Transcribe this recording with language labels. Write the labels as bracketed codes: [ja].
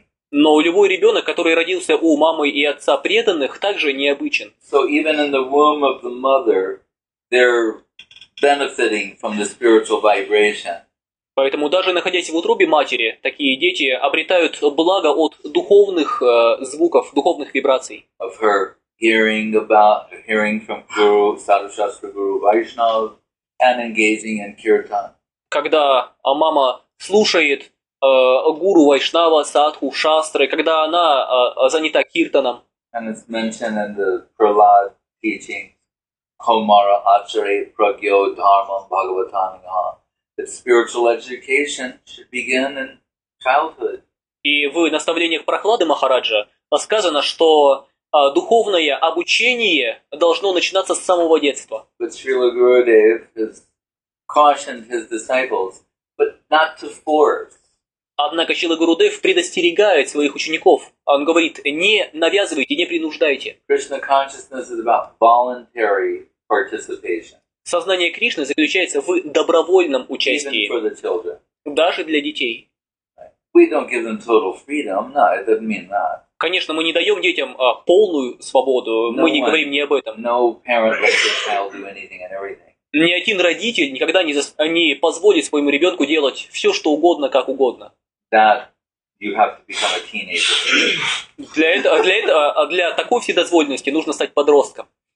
[ru] Но любой ребенок, который родился у мамы и отца преданных, также необычен. [en] So even in the womb of the mother, they're benefiting from the spiritual vibration. [ru] Поэтому даже находясь в утробе матери, такие дети обретают благо от духовных звуков, духовных вибраций. [en] Of her hearing from Guru, Sadhushastra Guru Vaishnav, and engaging in kirtan. [ru] Когда мама слушает Гуру Вайшнава, Садху, Шастры, когда она занята киртаном. [en] And it's mentioned in the Prahlad teaching. [sa] Homara Achare Pragyo Dharma Bhagavatanaha. [en] That spiritual education should begin in childhood. [ru] И в наставлениях Прахлады Махараджа сказано, что духовное обучение должно начинаться с самого детства. [en] But Srila Gurudev has cautioned his disciples, but not to force. [ru] Однако Шрила Гурудев предостерегает своих учеников. Он говорит, не навязывайте, не принуждайте. [en] Krishna consciousness is about voluntary participation. [ru] Сознание Кришны заключается в добровольном участии. [en] Even for the children. [ru] Даже для детей. [en] We don't give them total freedom. No, it doesn't mean that. [ru] Конечно, мы не даем детям полную свободу. [en] No [ru] мы не говорим ни об этом. [en] No parent lets their child do anything and everything. [ru] Ни один родитель никогда не позволит своему ребенку делать все, что угодно, как угодно. Для такой вседозволенности нужно стать подростком.